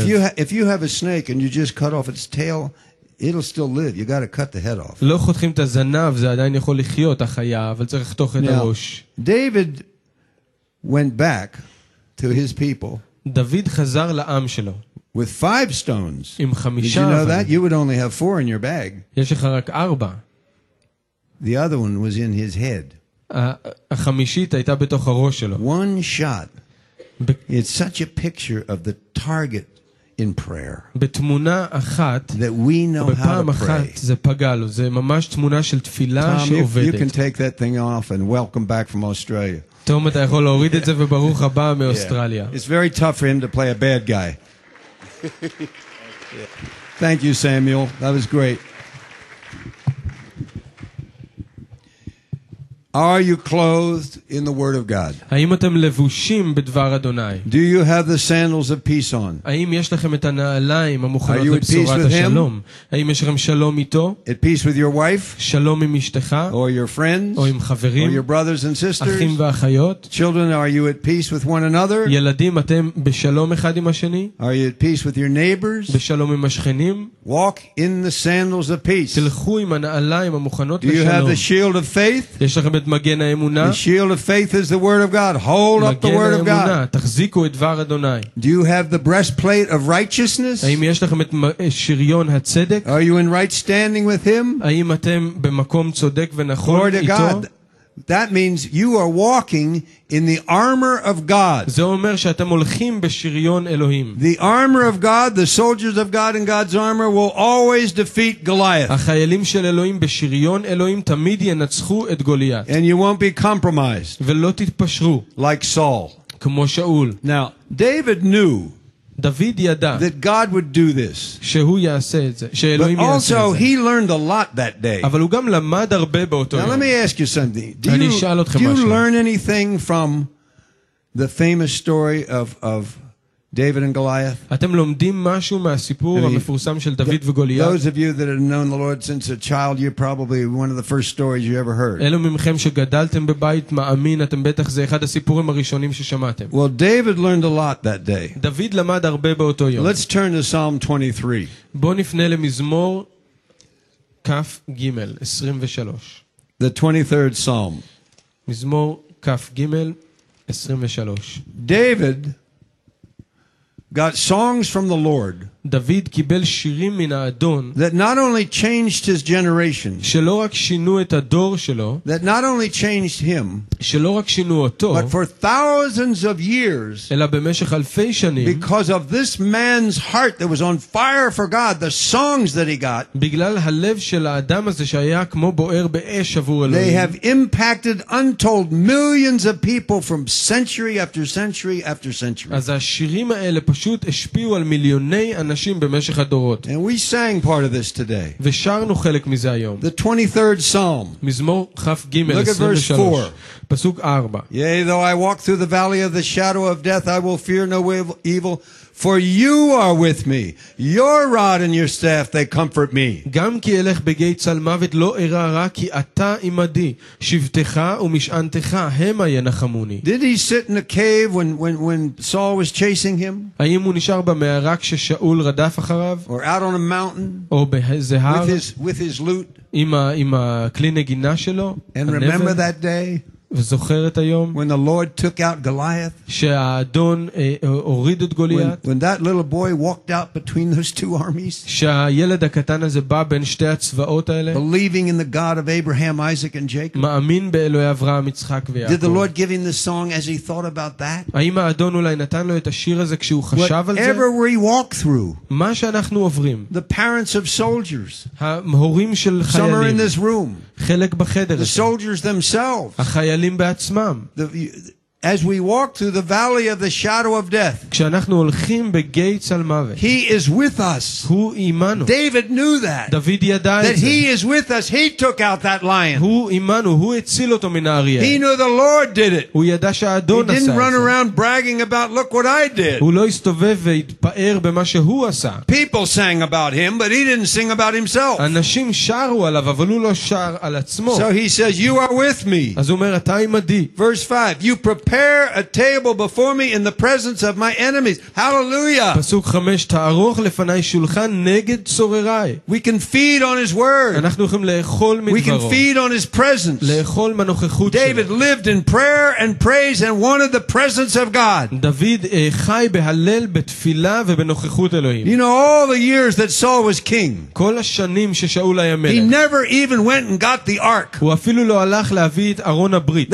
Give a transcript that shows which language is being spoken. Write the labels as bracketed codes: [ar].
[en] See, if you have a snake and you just cut off its tail, it'll still live. You got to cut the head off. [he] לא חותכים את הזנב, זה עדיין יכול לחיות החיה, אבל צריך לחתוך את הראש. [en] David went back to his people. [he] דוד חזר לעם שלו. [en] With 5 stones. [he] עם חמישה. [en] Did you know that you would only have 4 in your bag? [he] יש לך רק 4. [en] The other one was in his head. [he] החמישית הייתה בתוך הראש שלו. [en] One shot. It's such a picture of the target in prayer. [he] בתמונה אחת. [en] That we know how to pray. [he] בפעם אחת זה פגע לו. זה ממש תמונה של תפילה שעובדת. [en] You can take that thing off and welcome back from Australia. [he] תום, אתה יכול להוריד את זה וברוך הבא מאוסטרליה. [en] It's very tough for him to play a bad guy. Thank you, Samuel. That was great. Are you clothed in the word of God? [he] האם אתם לבושים בדבר אדוני? [en] Do you have the sandals of peace on? [he] האם יש לכם את הנעליים המוכנות לבשורת השלום? האם יש לכם שלום איתו? [en] At peace with your wife? [he] שלום עם אשתך? [en] Or your friends? [he] או עם חברים? [en] Or your brothers and sisters? [he] אחים ואחיות? [en] Children, are you at peace with one another? [he] ילדים, אתם בשלום אחד עם השני? [en] Are you at peace with your neighbors? [he] בשלום עם השכנים? [en] Walk in the sandals of peace. [he] תלכו עם הנעליים המוכנות לשלום. [en] Do you have the shield of faith? [he] יש לכם את מגן האמונה? [en] The shield of faith is the word of God. Hold up the word of God. [he] מגן האמונה, תחזיקו את דבר אדוני. [en] Do you have the breastplate of righteousness? [he] האם יש לכם את שריון הצדק? [en] Are you in right standing with him? [he] האם אתם במקום צודק ונכון איתו? [en] Glory to God. That means you are walking in the armor of God. [he] זה אומר שאתם הולכים בשריון אלוהים. [en] The armor of God, the soldiers of God in God's armor will always defeat Goliath. [he] החיילים של אלוהים בשריון אלוהים תמיד ינצחו את גוליית. [en] And you won't be compromised. [he] ולא תתפשרו. [en] Like Saul. [he] כמו שאול. [en] Now, David knew [he] David ידע [en] that God would do this. [he] שהוא יעשה את זה, שאלוהים יעשה את זה. [en] Also he learned a lot that day. [he] אבל הוא גם למד הרבה באותו יום. [en] Now let me ask you something. Do you learn anything from the famous story of David and Goliath? [he] אתם לומדים משהו מהסיפור המפורסם של דוד וגוליית? [en] Those of you that have known the Lord since a child, you're probably one of the first stories you ever heard. [he] אלו ממכם שגדלתם בבית מאמין, אתם בטח זה אחד הסיפורים הראשונים ששמעתם. [en] Well, David learned a lot that day. [he] דוד למד הרבה באותו יום. [en] Let's turn to Psalm 23. [he] בוא נפנה למזמור כף גימל 23. [en] The 23rd Psalm. [he] מזמור כף גימל 23. [en] David got songs from the Lord. [he] David קיבל שירים מן האדון. [en] That not only changed his generation. [he] שלא רק שינו את הדור שלו. [en] That not only changed him. [he] שלא רק שינו אותו. [en] But for thousands of years. [he] אלא במשך אלפי שנים. [en] Because of this man's heart that was on fire for God, the songs that he got. [he] בגלל הלב של האדם הזה שהיה כמו בוער באש עבור אלוהים. [en] They have impacted untold millions of people from century after century after century. [he] אז השירים האלה פשוט השפיעו על מיליוני אנשים במשך הדורות. [en] And we sang part of this today. [he] ושרנו חלק מזה היום. [en] The 23rd Psalm. [he] מזמור כף ג' 23. [en] Look at verse 4. [he] פסוק 4. [en] Yea, though I walk through the valley of the shadow of death, I will fear no evil, for you are with me. Your rod and your staff, they comfort me. [he] גם כי אלך בגיא צל מוות לא אירא רע, כי אתה עמדי, שבטך ומשענתך, המה ינחמוני. [en] Did he sit in a cave when Saul was chasing him? [he] האם הוא נשאר במערה כששאול רדף אחריו? [en] Or out on a mountain? [he] או באיזה הר? [en] With his loot? [he] עם הכלי נגינה שלו? [en] And remember that day? [he] וזוכר את היום [en] when the Lord took out Goliath, [he] שהאדון הוריד את גוליית, [en] when that little boy walked out between those two armies, [he] שהילד הקטן הזה בא בין שתי הצבאות האלה, [en] believing in the God of Abraham, Isaac and Jacob, [he] מאמין באלוהי אברהם יצחק ויעקב, [en] did the Lord give him the song as he thought about that? [he] האם האדון אולי נתן לו את השיר הזה כשהוא חשב על זה? [en] Whatever we walk through, [he] מה שאנחנו עוברים, [en] the parents of soldiers, [he] ההורים של חיילים, [en] somewhere in this room, [he] חלק בחדר, [en] the soldiers themselves, [he] החיילים בעצמם, [en] As we walk through the valley of the shadow of death. [he] כשאנחנו הולכים בגיא של מוות. [en] He is with us. [he] הוא עמנו. [en] David knew that. [he] דוד ידע את זה. [en] That he is with us. He took out that lion. [he] הוא עמנו, הוא הציל אותו מן האריה. [en] He knew the Lord did it. [he] הוא ידע שהאדון עשה את זה. [en] He didn't run around bragging about look what I did. [he] הוא לא הסתובב והתפאר במה שהוא עשה. [en] People sang about him, but he didn't sing about himself. [he] אנשים שרו עליו, אבל הוא לא שר על עצמו. [en] So he says you are with me. [he] אז הוא אומר אתה עמדי. [en] Verse 5. You prepare a table before me in the presence of my enemies. Hallelujah. [he] פסוק 5 תערוך לפני שולחן נגד צורריי. [en] We can feed on his word. [he] אנחנו יכולים לאכול מדברו. [en] We can feed on his presence. [he] לאכול מנוכחות שלו. [en] David lived in prayer and praise and wanted the presence of God. [he] דוד חי בהלל בתפילה ובנוכחות אלוהים. [en] You know all the years that Saul was king. [he] כל השנים ששאול היה מלך. [en] He never even went and got the ark. [he] הוא אפילו לא הלך להביא את ארון הברית.